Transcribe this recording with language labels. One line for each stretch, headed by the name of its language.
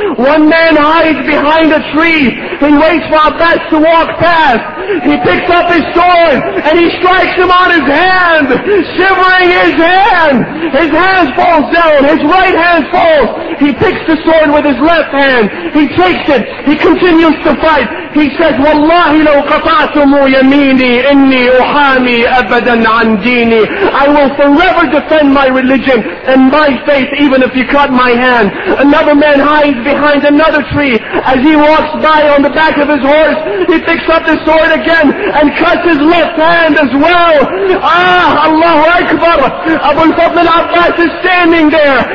English: One man hides behind a tree. He waits for Abbas to walk past. He picks up his sword and he strikes him on his hand, shivering his hand. His hand falls down. His right hand falls. He picks the sword with his left hand. He takes it. He continues to fight. He says,
Arabic: Wallahi لو قطعتم يميني إني أحامي أبدا عن ديني.
English: I will forever defend my religion and my faith even if you cut my hand. Another man hides behind another tree. As he walks by on the back of his horse, he picks up the sword again and cuts his left hand as well. Ah, Allahu Akbar. Abu al-Fadl al-Abbas is standing there.